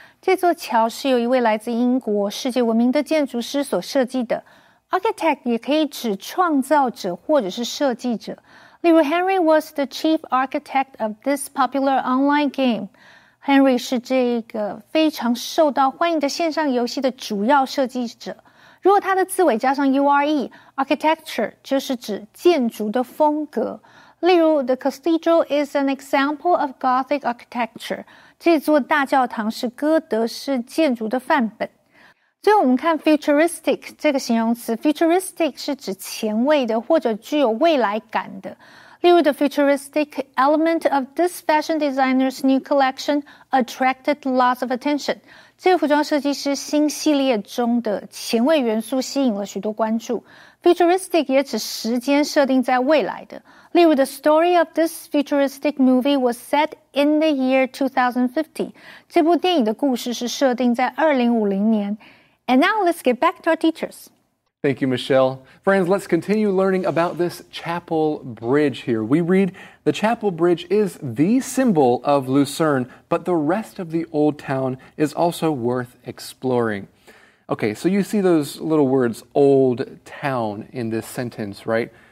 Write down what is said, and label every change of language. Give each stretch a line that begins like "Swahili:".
Chinese: 这座桥是由一位来自英国世界闻名的建筑师所设计的。 Architect 也可以指创造者或者是设计者。
English: 例如 Henry was the chief architect of this popular online game.
Chinese: Henry 是这个非常受到欢迎的线上游戏的主要设计者。如果它的字尾加上 URE, architecture 就是指建筑的风格。
English: 例如 the cathedral is an example of Gothic architecture.
Chinese: 这座大教堂是哥德式建筑的范本。所以我们看 futuristic 这个形容词 ,futuristic 是指前卫的或者具有未来感的。
English: 例如 the futuristic element of this fashion designer's new collection attracted lots of attention.
Chinese: 这个服装设计师新系列中的前卫元素吸引了许多关注。 Futuristic 也指时间设定在未来的。
English: 例如 the story of this futuristic movie was set in the year 2050.
Chinese: 这部电影的故事是设定在2050年。
English: And now let's get back to our teachers. Thank you, Michelle. Friends, let's continue learning about this chapel bridge here. We read, the chapel bridge is the symbol of Lucerne, but the rest of the old town is also worth exploring. Okay, so you see those little words, old town, in this sentence, right?